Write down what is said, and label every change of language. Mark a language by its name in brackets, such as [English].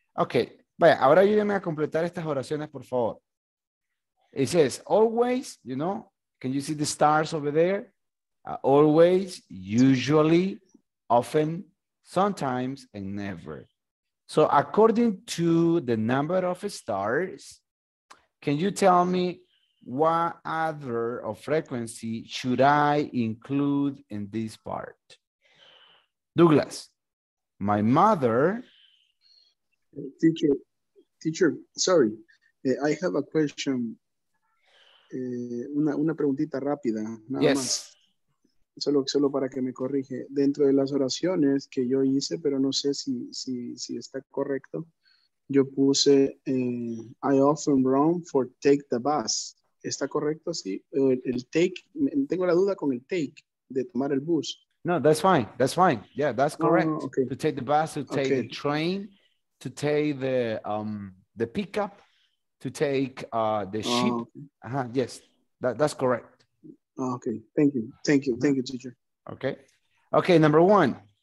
[Spanish] Okay, vaya, ahora ayúdenme a completar estas oraciones, por favor. [English] It says, always, you know, can you see the stars over there? Always, usually, often, sometimes, and never. So according to the number of stars, can you tell me what adverb of frequency should I include in this part? Douglas, my mother. Teacher, sorry. I have a question. [Spanish] Una preguntita rápida. Nada [English] yes. [Spanish] Más. Solo para que me corrige. Dentro de las oraciones que yo hice, pero no sé si está correcto. Yo puse, [English] I often run for take the bus. [Spanish] ¿Está correcto? Sí. El take, tengo la duda con el take, de tomar el bus. [English] No, that's fine. Yeah, that's correct. Oh, okay. To take the bus, to take okay. The train, to take the pickup, to take the ship. Oh. Uh-huh. Yes, that's correct. Oh, okay, thank you. Thank you, teacher. Okay. Okay, number one.